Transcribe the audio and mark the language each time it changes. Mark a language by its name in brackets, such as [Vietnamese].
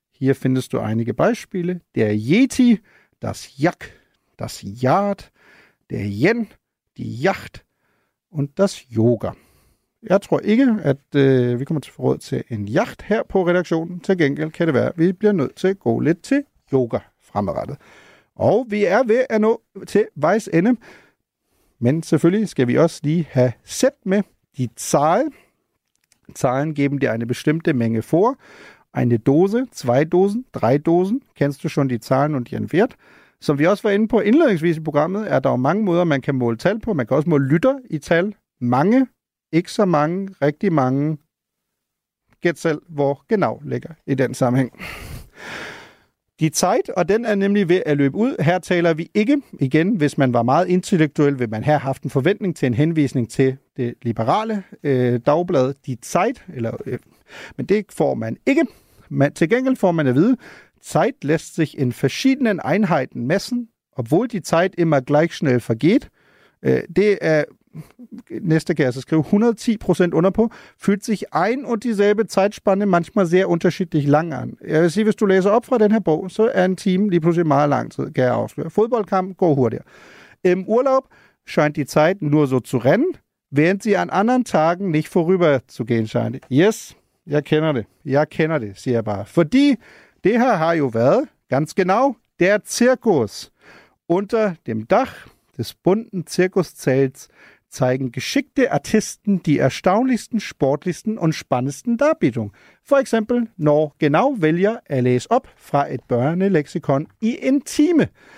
[German] Hier findest du einige Beispiele. Der Yeti, das Jack, das Yard, der Yen, die Yacht und das Yoga. [Danish] Jeg tror ikke, at vi kommer til forråd til en jacht her på redaktionen. Til gengæld kan det være, at vi bliver nødt til at gå lidt til yoga fremadrettet. Og vi er ved at nå til vejs ende. Men selvfølgelig skal vi også lige have set med [German] de zahl. Zahlen geben dir eine bestimmte Menge vor. Eine Dose, zwei Dosen, drei Dosen. Kennst du schon die Zahlen und ihren Wert? [Danish] Som vi også var inde på indledningsvis i programmet, er der jo mange måder, man kan måle tal på. Man kan også måle lytter i tal. Mange. Ikke så mange, rigtig mange. Gæt selv, hvor [German] genau [Danish] ligger i den sammenhæng. [German] Die Zeit, [Danish] og den er nemlig ved at løbe ud. Her taler vi ikke. Igen, hvis man var meget intellektuel, vil man have haft en forventning til en henvisning til det liberale dagblad Die Zeit. Eller, men det får man ikke. Men til gengæld får man at vide, [German] Zeit lässt sich in verschiedenen Einheiten messen, obwohl die Zeit immer gleich schnell vergeht. [Danish] Det er Næste kan jeg så skrive 110% under på, [German] fühlt sich ein und dieselbe Zeitspanne manchmal sehr unterschiedlich lang an. [Danish] Jeg vil sige, hvis du læser op fra den her bog, så er en time lige pludselig meget lang tid, kan jeg afsløre. Fodboldkamp går hurtigere. [German] Im Urlaub scheint die Zeit nur so zu rennen, während sie an anderen Tagen nicht vorüber zu gehen scheint. [Danish] Yes, jeg kender det. Jeg kender det, siger jeg bare. Fordi det her har jo været, [German] ganz genau, der Zirkus. Unter dem Dach des bunten Zirkuszelts zeigen geschickte Artisten die erstaunlichsten, sportlichsten und spannendsten Darbietungen. [Danish] For eksempel, når [German] genau [Danish] vælger at læse op fra et børneleksikon i intime.